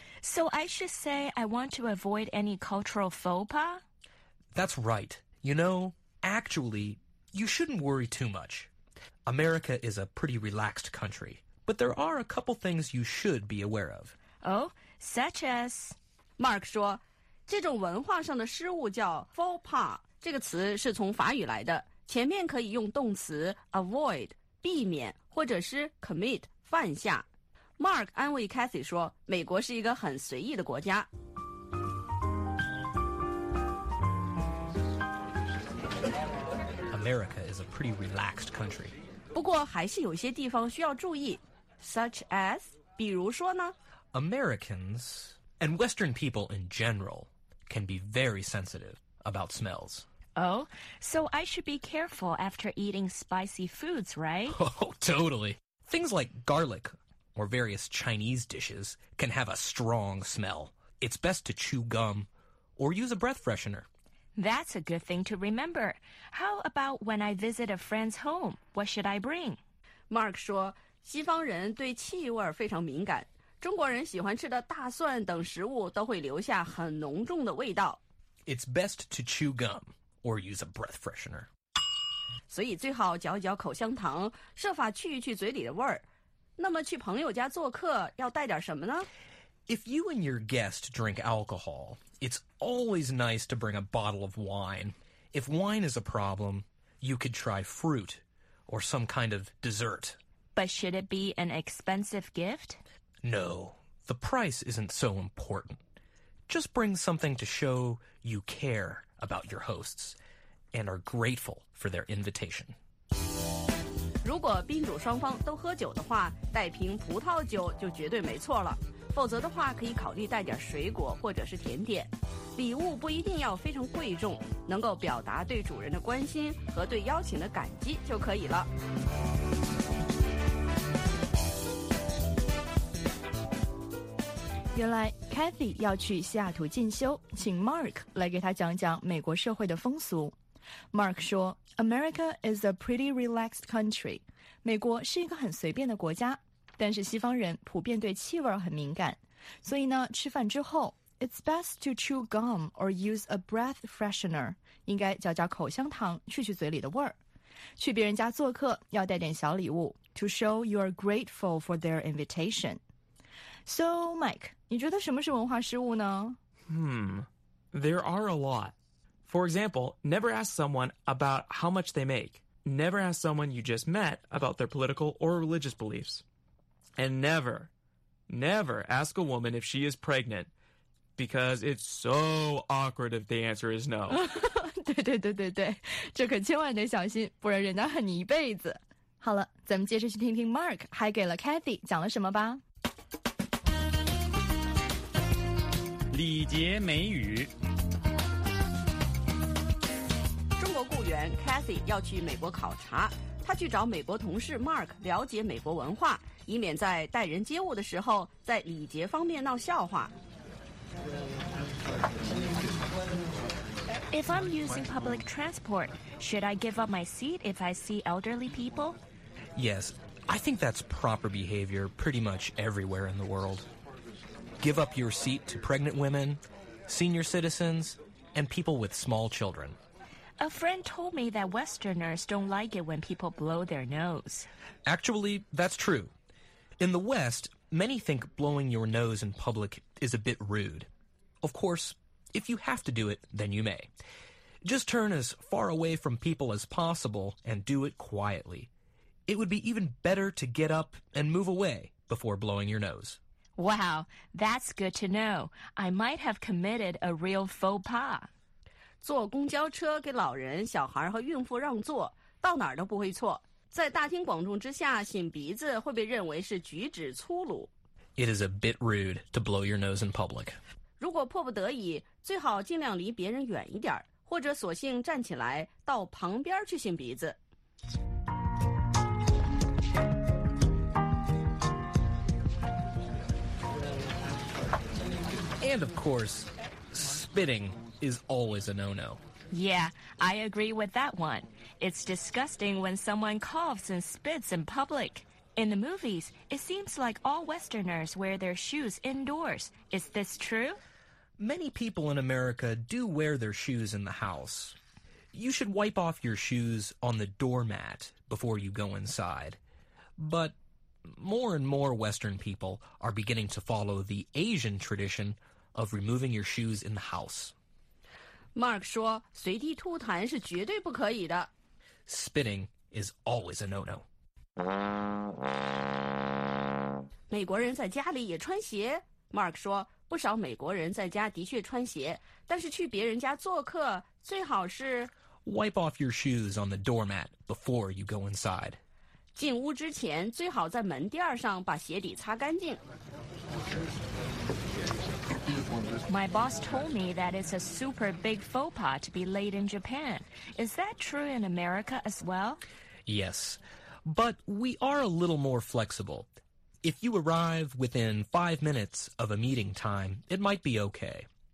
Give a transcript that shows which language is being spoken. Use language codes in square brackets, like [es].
[en] So I should say I want to avoid any cultural faux pas? That's right. You know, actually, you shouldn't worry too much. America is a pretty relaxed country. But there are a couple things you should be aware of. Oh? Such as, [zh] Mark 说，这种文化上的失误叫 faux pas。这个词是从法语来的，前面可以用动词 avoid 避免，或者是 commit 犯下。 Mark 安慰 Cathy 说，美国是一个很随意的国家。 [en] America is a pretty relaxed country. [zh] 不过还是有些地方需要注意 ， [en] such as， [zh] 比如说呢？ [en] Americans, and Western people in general, can be very sensitive about smells. Oh, so I should be careful after eating spicy foods, right? Oh, totally. Things like garlic or various Chinese dishes can have a strong smell. It's best to chew gum or use a breath freshener. That's a good thing to remember. How about when I visit a friend's home? What should I bring? [zh] Mark 说，西方人对气味非常敏感。中国人喜欢吃的大蒜等食物都会留下很浓重的味道。 [en] It's best to chew gum or use a breath freshener. [zh] 所以最好嚼一嚼口香糖，设法去一去嘴里的味儿。那么去朋友家做客要带点什么呢？ [en] If you and your guest drink alcohol, it's always nice to bring a bottle of wine. If wine is a problem, you could try fruit or some kind of dessert. But should it be an expensive gift? No, the price isn't so important. Just bring something to show you care about your hosts and are grateful for their invitation. [zh] 如果宾主双方都喝酒的话，带瓶葡萄酒就绝对没错了。否则的话，可以考虑带点水果或者是甜点。礼物不一定要非常贵重，能够表达对主人的关心和对邀请的感激就可以了。原来 Cathy 要去西雅图进修，请 Mark 来给他讲讲美国社会的风俗。 [en] Mark [zh] 说 [en] ，America is a pretty relaxed country. [zh] 美国是一个很随便的国家，但是西方人普遍对气味很敏感，所以呢，吃饭之后 ， [en] it's best to chew gum or use a breath freshener. [zh] 应该嚼嚼口香糖，去去嘴里的味儿。去别人家做客要带点小礼物 [en] ，to show you are grateful for their invitation. So, [zh] Mike, 你觉得什么是文化失误呢？ [en] There are a lot. For example, never ask someone about how much they make. Never ask someone you just met about their political or religious beliefs. And never, never ask a woman if she is pregnant, because it's so awkward if the answer is no. [zh] 对对对对对，这可千万得小心，不然人家恨你一辈子。好了，咱们接着去听听 Mark 还给了 Cathy 讲了什么吧。礼节美语。中国雇员 Cathy 要去美国考察，他去找美国同事 Mark 了解美国文化，以免在待人接物的时候在礼节方面闹笑话。 [en] If I'm using public transport, should I give up my seat if I see elderly people? Yes, I think that's proper behavior pretty much everywhere in the world. Give up your seat to pregnant women, senior citizens, and people with small children. A friend told me that Westerners don't like it when people blow their nose. Actually, that's true. In the West, many think blowing your nose in public is a bit rude. Of course, if you have to do it, then you may. Just turn as far away from people as possible and do it quietly. It would be even better to get up and move away before blowing your nose. Wow, that's good to know. I might have committed a real faux pas. [zh] 坐公交车给老人、小孩和孕妇让座，到哪儿都不会错。在大庭广众之下擤鼻子会被认为是举止粗鲁。 [en] It is a bit rude to blow your nose in public. [zh] 如果迫不得已，最好尽量离别人远一点，或者索性站起来到旁边去擤鼻子。 [en] And of course, spitting is always a no-no. Yeah, I agree with that one. It's disgusting when someone coughs and spits in public. In the movies, it seems like all Westerners wear their shoes indoors. Is this true? Many people in America do wear their shoes in the house. You should wipe off your shoes on the doormat before you go inside. But more and more Western people are beginning to follow the Asian tradition of removing your shoes in the house. [zh] Mark 说随地吐痰是绝对不可以的。 [en] Spitting is always a no-no. [zh] 美国人在家里也穿鞋。 Mark 说不少美国人在家的确穿鞋，但是去别人家做客最好是 [en] Wipe off your shoes on the doormat before you go inside. [zh] 进屋之前最好在门垫上把鞋底擦干净。 [en] My boss told me that it's a super big faux pas to be late in Japan. Is that true in America as well? Yes, but we are a little more flexible. If you arrive within 5 minutes of a meeting time, it might be okay.